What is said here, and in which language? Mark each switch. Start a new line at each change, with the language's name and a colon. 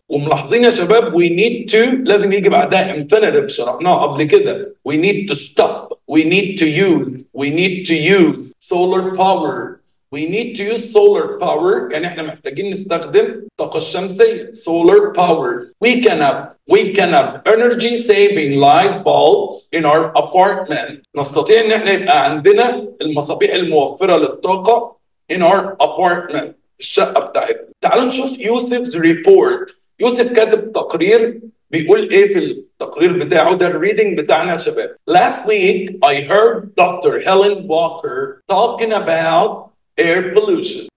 Arabic: وملاحظين يا شباب
English: we need to
Arabic: لازم يجي بعدها infinitive شرحناها قبل كده.
English: We need to use solar power. We need to use solar power.
Arabic: يعني احنا محتاجين نستخدم طاقة الشمسية.
English: Solar power. We can have energy saving light bulbs in our apartment.
Arabic: نستطيع ان احنا يبقى عندنا المصابيح الموفرة للطاقة
English: in our apartment.
Arabic: الشقة بتاعتنا. تعالوا نشوف يوسف's report. يوسف كاتب تقرير بيقول ايه في التقرير بتاعه ده الريدنج بتاعنا يا شباب.
English: Last week I heard Dr. Helen Walker talking about air pollution.